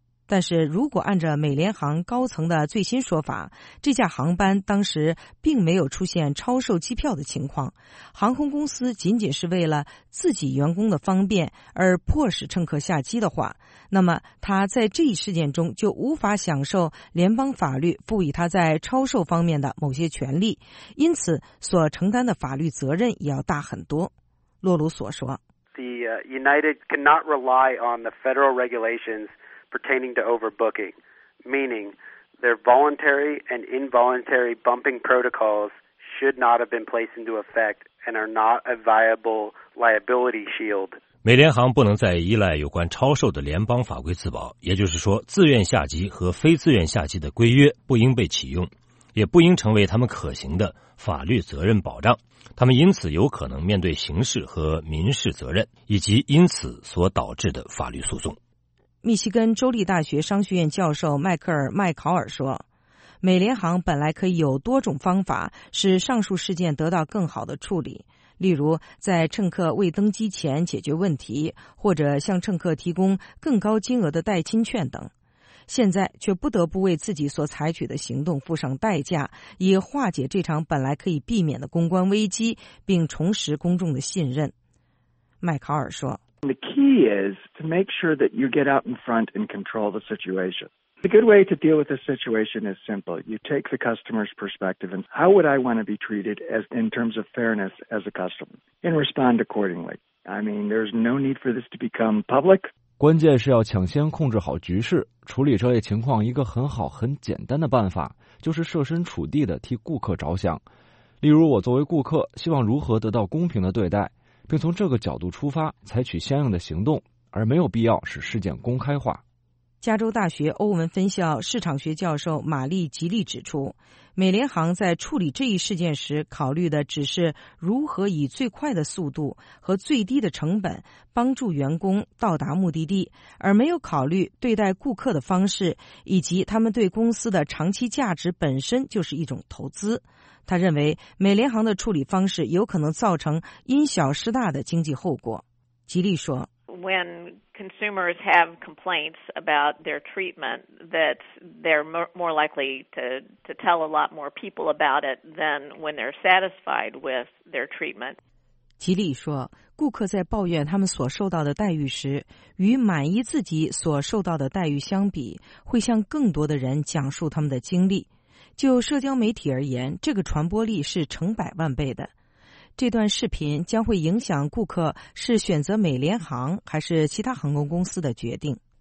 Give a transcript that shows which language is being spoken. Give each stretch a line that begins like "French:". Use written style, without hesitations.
Chinese: 但是如果按照美联航高层的最新说法，这架航班当时并没有出现超售机票的情况，航空公司仅仅是为了自己员工的方便而迫使乘客下机的话，那么他在这一事件中就无法享受联邦法律赋予他在超售方面的某些权利，因此所承担的法律责任也要大很多。洛鲁索说，
English: The United cannot rely on the federal regulations pertaining to overbooking, meaning their voluntary and involuntary bumping protocols should not have been placed into effect and are not a viable liability shield.
Chinese: 美联航不能再依赖有关超售的联邦法规自保，也就是说，自愿下机和非自愿下机的规约不应被启用，也不应成为他们可行的法律责任保障。他们因此有可能面对刑事和民事责任，以及因此所导致的法律诉讼。密西根州立大学商学院教授迈克尔·麦考尔说，美联航本来可以有多种方法使上述事件得到更好的处理，例如在乘客未登机前解决问题，或者向乘客提供更高金额的代金券等，现在却不得不为自己所采取的行动付上代价，以化解这场本来可以避免的公关危机，并重拾公众的信任。麦考尔说，
English: The key is to make sure that you get out in front and control the situation. The good way to deal with this situation is simple. You take the customer's perspective and how would I want to be treated as in terms of fairness as a customer and respond accordingly. I mean, there's no need for this to become public.
Chinese: 关键是要抢先控制好局势。处理这类情况一个很好很简单的办法，就是设身处地的替顾客着想。例如我作为顾客，希望如何得到公平的对待，并从这个角度出发采取相应的行动，而没有必要使事件公开化。加州大学欧文分校市场学教授玛丽·吉利指出，美联航在处理这一事件时考虑的只是如何以最快的速度和最低的成本帮助员工到达目的地，而没有考虑对待顾客的方式以及他们对公司的长期价值本身就是一种投资。他认为美联航的处理方式有可能造成因小失大的经济后果。吉利说，
English: Consumers have complaints about their treatment that they're more likely to tell a lot more people about it than when they're satisfied with their treatment.
Chinese: 吉利说，顾客在抱怨他们所受到的待遇时，与满意自己所受到的待遇相比，会向更多的人讲述他们的经历。就社交媒体而言，这个传播力是成百万倍的。这段视频将会影响顾客是选择美联航还是其他航空公司的决定。